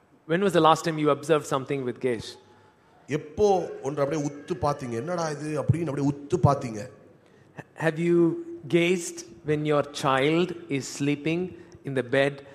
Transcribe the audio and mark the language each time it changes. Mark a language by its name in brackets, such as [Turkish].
[English] When was the last time you observed something with gaze? [Tamil] எப்போ ஒன்றை அப்படியே உத்து பாத்தீங்க, என்னடா இது அப்படின்னு அப்படியே உத்து பாத்தீங்க? [English] Have you gazed when your child is sleeping in the bed?